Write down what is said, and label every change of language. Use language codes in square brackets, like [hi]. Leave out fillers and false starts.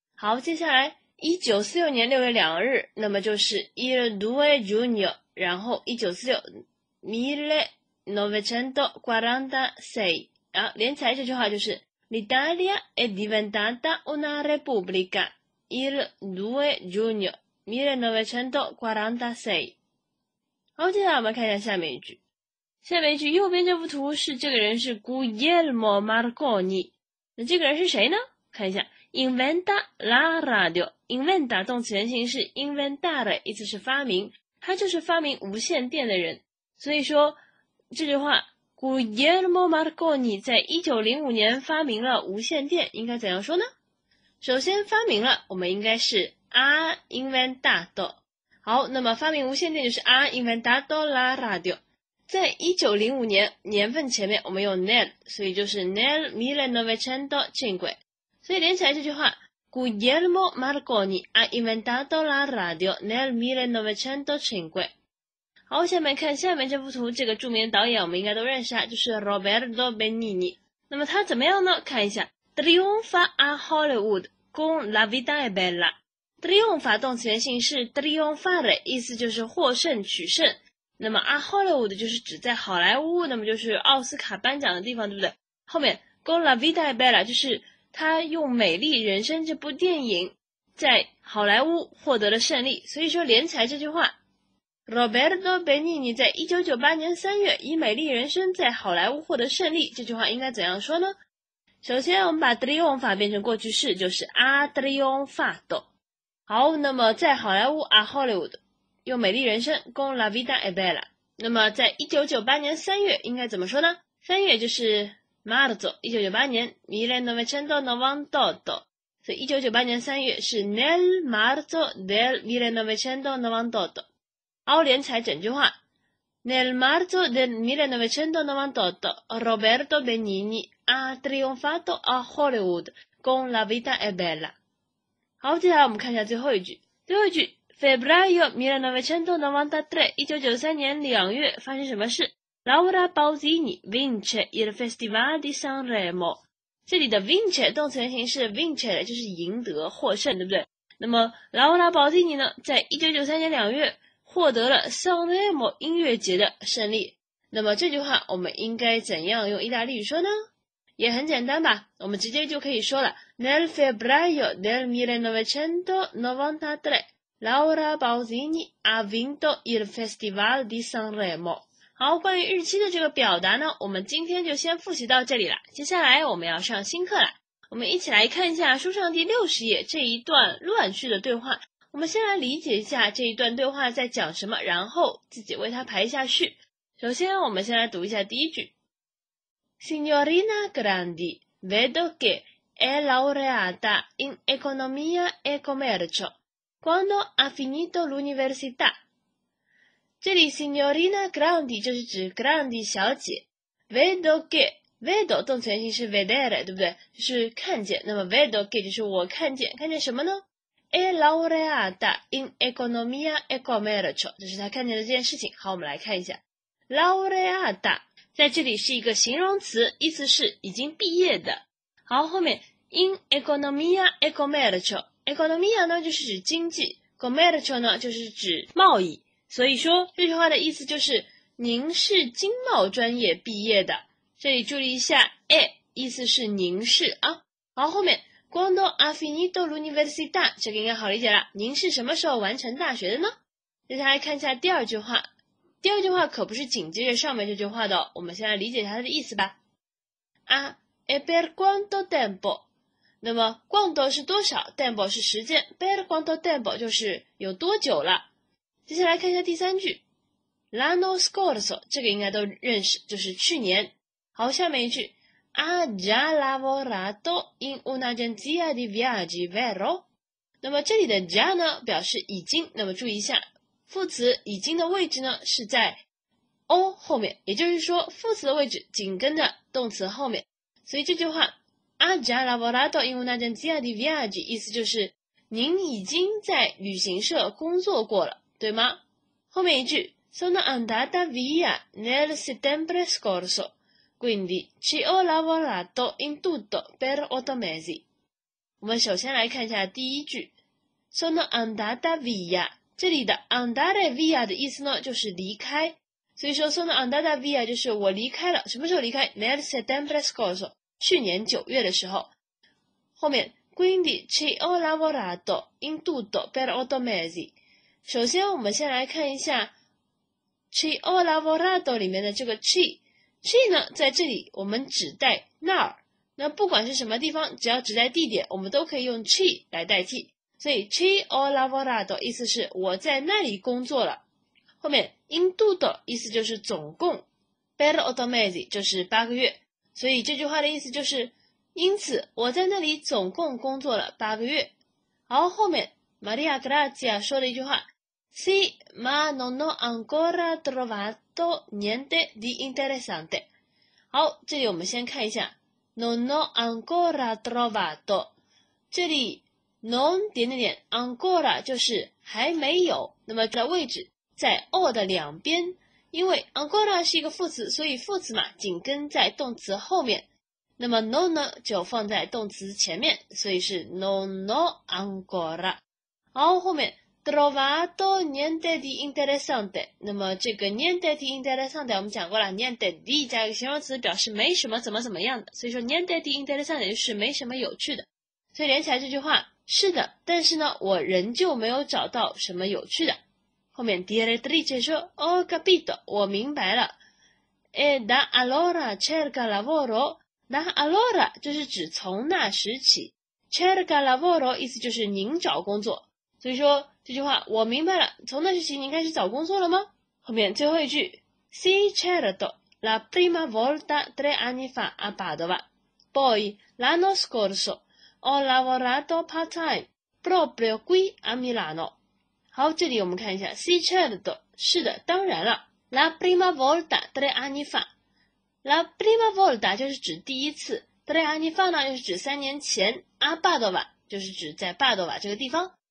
[zh] 好，接下来1946年6月2日，那么就是 [it] il 2 giugno， [zh] 然后1946 1946，然后连起来这句话就是 [it] L'Italia è diventata una repubblica il 2 giugno 1946。 [zh] 好，接下来我们看一下下面一句。下面一句右边这幅图是这个人是 Guglielmo Marconi。那这个人是谁呢？看一下 [it] ,inventa la radio。 [zh] inventa 动词原形是 inventare， 意思是发明。他就是发明无线电的人。所以说这句话Guglielmo Marconi 在1905年发明了无线电，应该怎样说呢？首先发明了，我们应该是 ha inventato。好，那么发明无线电就是 [it] ha inventato la radio。 [zh] 在1905年年份前面我们用 nel， 所以就是 nel 1905，所以连起来这句话 [it] Guglielmo Marconi ha inventato la radio nel 1905。 [zh] 好，下面看下面这幅图，这个著名的导演我们应该都认识啊，就是 Roberto Benigni。那么他怎么样呢？看一下 [it] Triunfa a Hollywood con la vita è bella。 [zh] Triunfa 动词原形是 triunfare， 意思就是获胜取胜。那么 [it] a Hollywood [zh] 就是指在好莱坞，那么就是奥斯卡颁奖的地方，对不对？后面 [it] con la vita è bella [zh] 就是他用美丽人生这部电影在好莱坞获得了胜利，所以说连起来这句话Roberto Benigni 在1998年3月以美丽人生在好莱坞获得胜利，这句话应该怎样说呢？首先我们把 triunfa 变成过去式，就是 ha triunfato。好，那么在好莱坞 ha Hollywood 用美丽人生 [it] con la vita è bella， [zh] 那么在1998年3月应该怎么说呢？ 3月就是 marzo 1998年 1998年，所以1998年3月是 [it] nel marzo del 1998。 [zh] 好，连起来整句话 [it] Nel marzo del 1998 Roberto Benigni ha trionfato a Hollywood con la vita è bella。 [zh] 好，接下来我们看一下最后一句。最后一句 [it] Febbraio 1993 [zh] 1993年2月发生什么事？ [it] Laura Pausini vince il Festival di Sanremo。 [zh] 这里的 vince 动词原形是 vincere， 就是赢得获胜，对不对？那么 Laura Pausini 呢，在1993年2月获得了 Sanremo 音乐节的胜利。那么这句话我们应该怎样用意大利语说呢？也很简单吧，我们直接就可以说了 [it] Nel febbraio del 1993 Laura Pausini ha vinto il Festival di Sanremo。 [zh] 好，关于日期的这个表达呢，我们今天就先复习到这里了。接下来我们要上新课了，我们一起来看一下书上第60页这一段乱序的对话。我们先来理解一下这一段对话在讲什么，然后自己为它排一下序。首先我们先来读一下第一句。 [it] Signorina Grandi, vedo che è laureata in economia e commercio. Quando ha finito l'università? [zh] 这里 Signorina Grandi 就是指 Grandi 小姐。 Vedo che, vedo 动词原形是 vedere， 对不对？就是看见。那么 vedo che 就是我看见，看见什么呢？ [it] È laureata in economia e commercio， [zh] 这是他看见的这件事情。好，我们来看一下 laureata 在这里是一个形容词，意思是已经毕业的。好，后面 [it] in economia e commercio， [zh] economia 呢就是指经济， commercio 呢就是指贸易，所以说这句话的意思就是您是经贸专业毕业的。这里注意一下 è 意思是您是啊。好，后面 [it] Quando ha finito l'università， [zh] 这个应该好理解了，您是什么时候完成大学的呢？接下来看一下第二句话。第二句话可不是紧接着上面这句话的，我们先来理解它的意思吧。 [it] A è per quanto tempo， [zh] 那么 quanto 是多少， tempo 是时间， per quanto tempo 就是有多久了。接下来看一下第三句， [it] l'anno scorso， [zh] 这个应该都认识，就是去年。 [it] 好，下面一句Ha già lavorato in un'agenzia di viaggi, vero? [zh] 那么这里的 già 呢表示已经，那么注意一下副词已经的位置呢是在 o 后面，也就是说副词的位置紧跟着动词后面，所以这句话 [it] ha già lavorato in un'agenzia di viaggi, [zh] 意思就是您已经在旅行社工作过了，对吗？后面一句 [it] sono andata via nel settembre scorso, quindi ci ho lavorato in tutto per 8 mesi。 [zh] 我们首先来看一下第一句 sono andata via。这里的 andare via 的意思呢，就是离开。所以说 [it] sono andata via [zh] 就是我离开了，什么时候离开 ？ [it] Nel settembre scorso， [zh] 去年九月的时候。后面 [it] quindi ci ho lavorato in tutto per 8 mesi。 [zh] 首先我们先来看一下 ci ho lavorato 里面的这个 ci 呢，在这里我们指代那儿。那不管是什么地方，只要指代地点，我们都可以用 ci 来代替。所以 [it] ci ho lavorato [zh] 意思是我在那里工作了。后面 in tutto 意思就是总共， [it] per 8 mesi [zh] 就是八个月。所以这句话的意思就是，因此我在那里总共工作了八个月。好，后面 Maria Grazia 说了一句话 [it] ，Sì, ma non ho ancora trovato niente di interessante。 [zh] 好，这里我们先看一下 ， [it] non ho ancora trovato， [zh] 这里。 non 点点点 ，ancora 就是还没有。那么这个位置在 o 的两边，因为 ancora 是一个副词，所以副词嘛紧跟在动词后面。那么 non 呢就放在动词前面，所以是 [it] non ho ancora。 [zh] 然后后面 [it] trovato niente di interessante。 [zh] 那么这个 [it] niente di interessante [zh] 我们讲过了 ，niente di 加一个形容词表示没什么怎么怎么样的，所以说 niente di interessante 就是没什么有趣的。所以连起来这句话。是的，但是呢，我仍旧没有找到什么有趣的。后面 direttrice 说 [it] ho capito， [zh] 我明白了。 [it] E da allora cerca lavoro， [zh] da allora 就是指从那时起 ， [it] cerca lavoro [zh] 意思就是您找工作。所以说这句话我明白了，从那时起您开始找工作了吗？后面最后一句 [it] ，si certo la prima volta 3 anni fa a Padova， poi l'anno scorso。 Ho lavorato part time proprio qui a Milano。 [zh] 好，这里我们看一下 ， [it] si certo， [zh] 是的，当然了。 [it] La prima volta tre anni fa， [zh] la prima volta 就是指第一次 ，tre anni fa 呢又是指三年前。 [it] A Padova [zh] 就是指在 Padova 这个地方。